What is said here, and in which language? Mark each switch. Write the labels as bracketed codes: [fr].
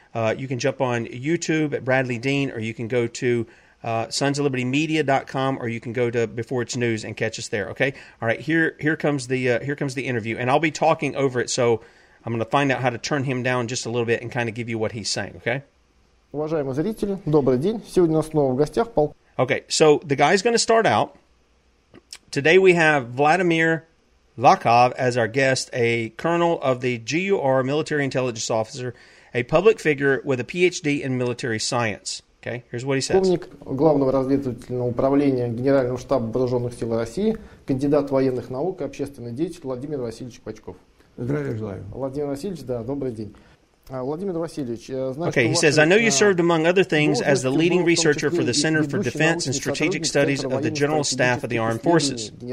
[en] You can jump on YouTube at Bradley Dean, or you can go to sonsoflibertymedia.com, or you can go to Before It's News and catch us there. Okay, all right. Here comes the interview, and I'll be talking over it. So I'm going to find out how to turn him down just a little bit and kind of give you what he's saying. Okay. [ru] Уважаемые зрители, добрый день. Сегодня у нас снова в гостях полк. [en] Okay, so the guy's going to start out. Today we have Vladimir Vakov as our guest, a colonel of the GUR military intelligence officer, a public figure with a PhD in military science. Okay, here's what he says. [ru] Полковник главного разведывательного управления Генерального штаба Вооруженных сил России, кандидат военных наук и общественный деятель Владимир Васильевич Пачков. Здравия желаю. Владимир Васильевич, да, добрый день. [en] Okay, he says, I know you served, among other things, as the leading researcher for the Center for Defense and Strategic Studies of the General Staff of the Armed Forces.